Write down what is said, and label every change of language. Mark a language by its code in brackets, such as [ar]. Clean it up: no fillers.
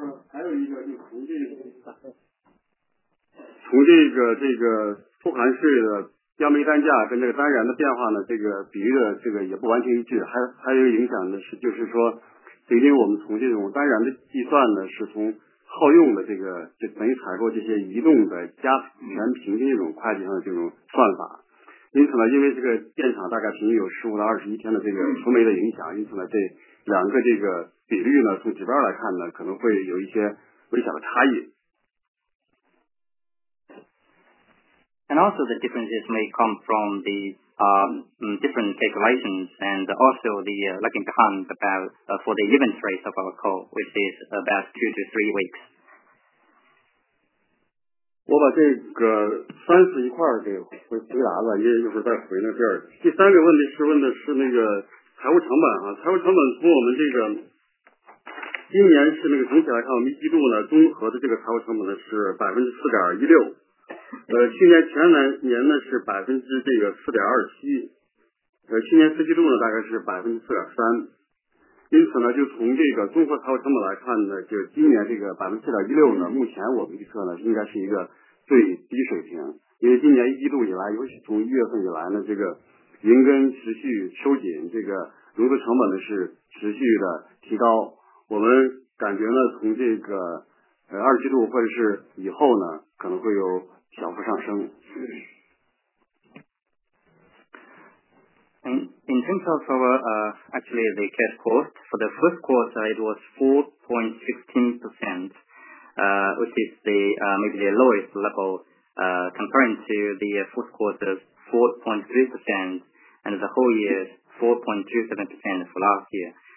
[zh] 还有一个就从这个不含税的标煤单价跟这个单燃的变化呢，这个比喻的这个也不完全一致，还有一个影响的是，就是说，因为我们从这种单燃的计算呢，是从耗用的这个就等于采购这些移动的加权平均这种会计上的这种算法，因此呢，因为这个电厂大概平均有15到21天的这个除煤的影响，因此呢，这两个这个比率呢，从指标来看呢，可能会有一些微小的差异。 [en] And also the differences may come from the different calculations and also the lagging behind about for the inventory of our coal, which is about 2 to 3 weeks. [zh] 我把这个三四一块儿给回答了，因为一会儿再回那边。第三个问题是问的是那个财务成本啊，财务成本从我们这个今年是那个总体来看，我们一季度呢综合的这个财务成本呢是4.16%。去年全年呢是4.27%，去年四季度呢大概是4.3%，因此呢，就从这个综合财务成本来看呢，就今年这个4.16%呢，目前我们预测呢，应该是一个最低水平。因为今年一季度以来，尤其从一月份以来呢，这个银根持续收紧，这个融资成本呢是持续的提高。我们感觉呢，从这个二季度或者是以后呢，可能会有小幅上升。 [en] In terms of our, actually the cash cost, for the first quarter it was 4.16%, which is the, maybe the lowest level, comparing to the fourth quarter's 4.3% and the whole year's 4.27% for last year.